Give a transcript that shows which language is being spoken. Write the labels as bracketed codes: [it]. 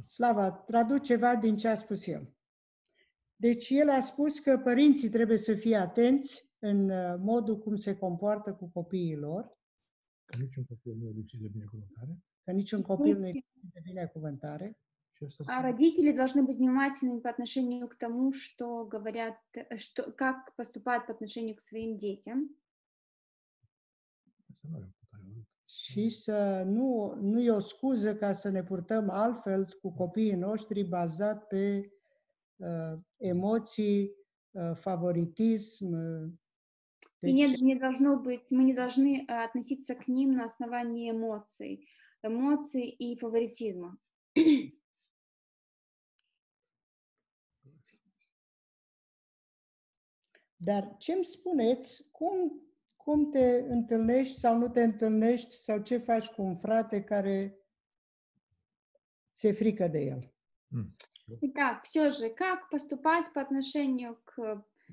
[ro] Slava, traduce ceva din ce a spus el. Deci el a spus că părinții trebuie să fie atenți în modul cum se comportă cu copiii lor. Că niciun copil nu e lipsit de binecuvântare. Că niciun copil nu e lipsit de binecuvântare. [ru] А родители должны быть внимательными по отношению к тому, что говорят, что как поступают по отношению к своим детям. [ro] Și să nu e o scuză ca să ne purtăm altfel cu copiii noștri bazat pe emoții, favoritism. Deci... [ru] Мы не должны относиться к ним на основании эмоций и фаворитизма. [ro] Dar ce-mi spuneți, cum te întâlnești sau nu te întâlnești sau ce faci cu un frate care ți-e frică de el? [ru] Da, все же, как поступать по отношению к